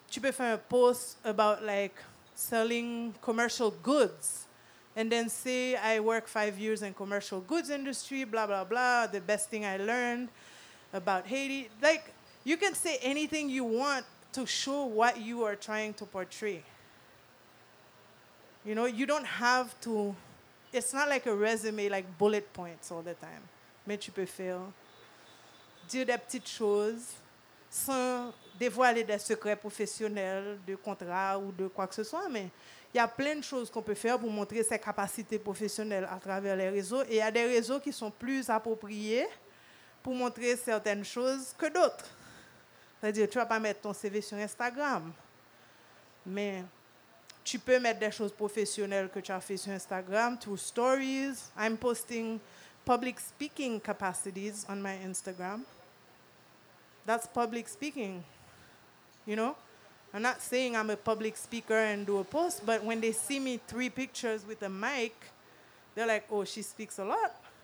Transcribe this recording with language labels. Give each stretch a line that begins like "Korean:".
French: Tu peux faire un post
English: about, like, selling commercial goods, and then say, I work 5 years in commercial goods industry, blah, blah, blah, the best thing I learned about Haiti. Like, you can say anything you want to show what you are trying to portray. You know, you don't have to, it's not like a resume, like bullet points all the time.
French: Mais tu peux faire. Do des petites choses sans dévoiler des secrets professionnels, de contrats ou de quoi que ce soit, mais il y a plein de choses qu'on peut faire pour montrer ses capacités professionnelles à travers les réseaux. Et il y a des réseaux qui sont plus appropriés pour montrer certaines choses que d'autres. C'est-à-dire, tu ne vas pas mettre ton CV sur Instagram, mais tu peux mettre des choses professionnelles que tu as fait sur Instagram,
English: true stories. I'm posting public speaking capacities on my Instagram. That's public speaking, you know? I'm not saying I'm a public speaker and do a post, but when they see me 3 pictures with a mic, they're like, oh, she speaks a lot.